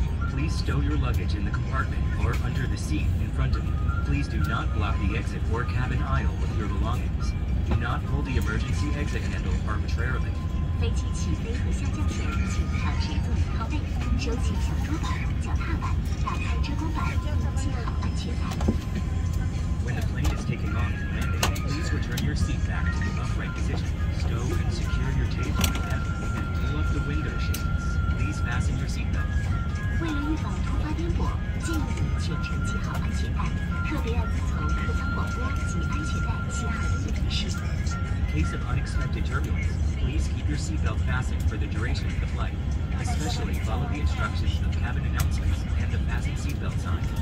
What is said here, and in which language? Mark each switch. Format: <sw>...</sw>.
<en>Please stow your luggage in the compartment or under the seat in front of you. Please do not block the exit or cabin aisle with your belongings. Do not pull the emergency exit handle arbitrarily.</en> <zh>飞机起飞和下降前，请调直座椅靠背，收起小桌板、脚踏板，打开遮光板，系好安全带。</zh> <en>When the plane is taking off and landing, please return your seat back to the upright position. Stow and secure your table and pull up the window shades. Please fasten your seatbelt.</en> <zh>为了预防突发颠簸，建议你全程系好安全带，特别要遵从客舱广播及安全带系好的提示。</zh> <en>In case of unexpected turbulence. Please keep your seatbelt fastened for the duration of the flight. Especially follow the instructions of cabin announcements and the fasten seatbelt sign.</en>